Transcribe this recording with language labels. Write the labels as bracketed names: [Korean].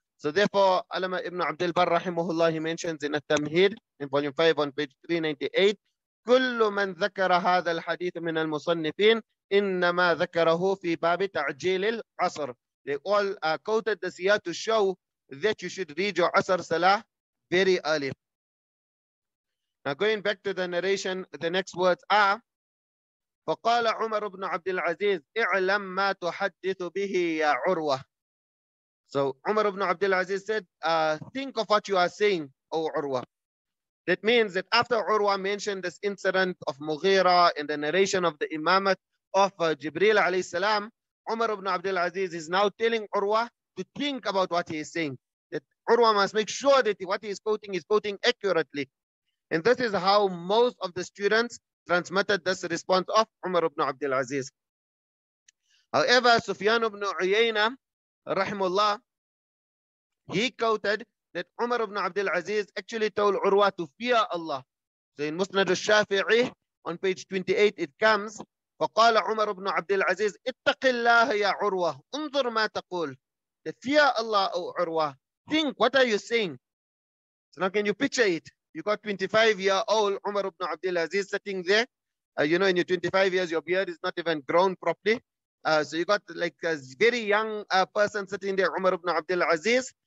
[English] So therefore, Alama Ibn Abdul Bar rahimahullah, he mentions in At-Tamhid in volume 5 on page 398, [Arabic] كل من ذكر هذا الحديث من المصنفين إنما ذكره في باب تعجيل العصر. [English] They all quoted the siyah to show that you should read your Asr Salah very early. Now going back to the narration, the next words are, [Arabic] فقال عمر بن عبد العزيز اعلم ما تحدث به يا عروة. [English] So Umar ibn Abdul Azīz said, think of what you are saying, O Urwah. That means that after Urwah mentioned this incident of Mughira and the narration of the imamat of Jibreel alayhi salam, Umar ibn Abdul Azīz is now telling Urwah to think about what he is saying. That Urwah must make sure that what he is quoting accurately. And this is how most of the students transmitted this response of Umar ibn Abdul Azīz. However, Sufyan ibn Uyayna, rahimullah, he quoted that Umar ibn Abdul Azīz actually told Urwah to fear Allah. So in Musnad al-Shafi'i, on page 28, it comes, [Arabic] فَقَالَ عُمَرُ بْنُ عَبْدِ الْعَزِيزِ اِتَّقِ اللَّهَ يَا عُرْوَهُ انظر مَا تَقُولُ. [English] The fear Allah, O Urwah. Think, what are you saying? So now can you picture it? You got 25-year-old Umar ibn Abdul Azīz sitting there. You know, in your 25 years, your beard is not even grown properly. So you got like a very young person sitting there, Umar ibn Abdul Azīz.